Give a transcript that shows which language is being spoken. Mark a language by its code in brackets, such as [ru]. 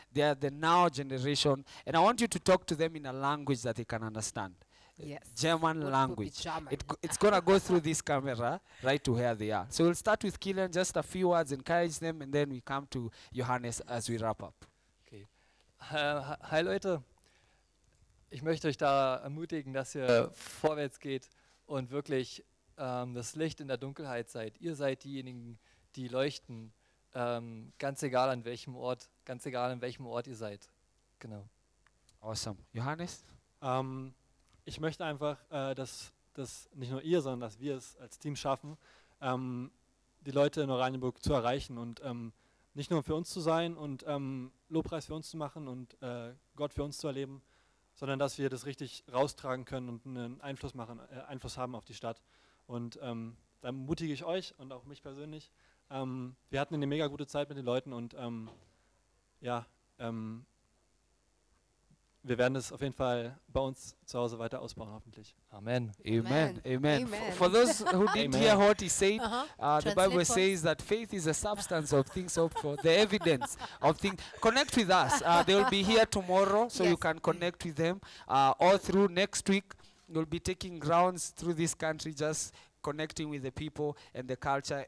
[en] They are the now generation. And I want you to talk to them in a language that they can understand. Yes. German would language. German. It's going to go through this camera right to where they are. So we'll start with Killian, just a few words, encourage them. And then we come to Johannes as we wrap up. [de] Hi Leute, ich möchte euch da ermutigen, dass ihr vorwärts geht und wirklich das Licht in der Dunkelheit seid. Ihr seid diejenigen, die leuchten, ganz egal an welchem Ort ihr seid. Genau. [en] Awesome. Johannes? [de] Ich möchte einfach, dass nicht nur ihr, sondern dass wir es als Team schaffen, die Leute in Oranienburg zu erreichen und nicht nur für uns zu sein und Lobpreis für uns zu machen und Gott für uns zu erleben, sondern dass wir das richtig raustragen können und einen Einfluss haben auf die Stadt. Und da ermutige ich euch und auch mich persönlich. Wir hatten eine mega gute Zeit mit den Leuten und wir werden es auf jeden Fall bei uns zu Hause weiter ausbauen, hoffentlich. Amen. Amen. Amen. Amen. [en] For those who didn't hear what he said, the Bible says that faith is the substance of things hoped for, the evidence of things. Connect with us. They will be here tomorrow, so you can connect with them. All through next week, we'll be taking rounds through this country, just connecting with the people and the culture.